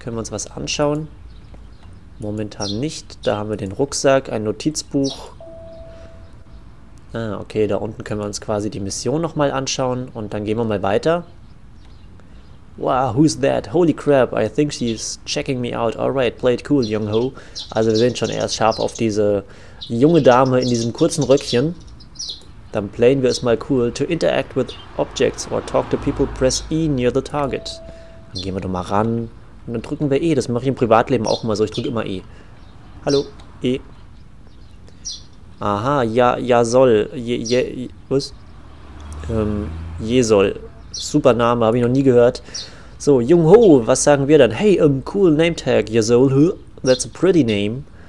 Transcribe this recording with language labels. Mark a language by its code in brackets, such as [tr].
[de] Können wir uns was anschauen? Momentan nicht. Da haben wir den Rucksack, ein Notizbuch. Ah, okay, da unten können wir uns quasi die Mission nochmal anschauen. Und dann gehen wir mal weiter. [en] Wow, who's that? Holy crap, I think she's checking me out. Alright, play it cool, Jung Ho. [de] Also wir sehen schon, er ist scharf auf diese junge Dame in diesem kurzen Röckchen. Dann playen wir es mal cool. [en] To interact with objects or talk to people, press E near the target. [de] Dann gehen wir doch mal ran. Und dann drücken wir E. Das mache ich im Privatleben auch immer so. Ich drücke immer E. Hallo, E. Aha, ja soll. Was? Je soll. Super Name, habe ich noch nie gehört. So, Jung Ho, was sagen wir dann? [en] Hey, cool name tag, Yesol. That's a pretty name.